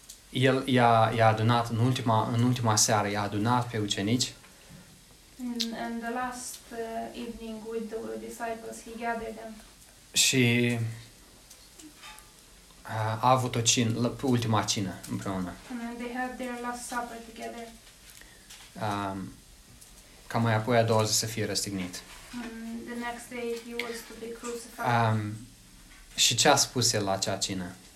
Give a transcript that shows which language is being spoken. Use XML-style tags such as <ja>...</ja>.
<ro>El i-a adunat în ultima seară, i-a adunat pe ucenici.</ro> <en>And the last evening with the disciples, he gathered them.</en> <ro>Și a avut ultima cină împreună.</ro> <en>And they had their last supper together.</en> <ro>Ca mai apoi a doua zi să fie răstignit.</ro> <en>The next day he was to be crucified.</en> <ro>Și ce a spus el la acea cină?</ro>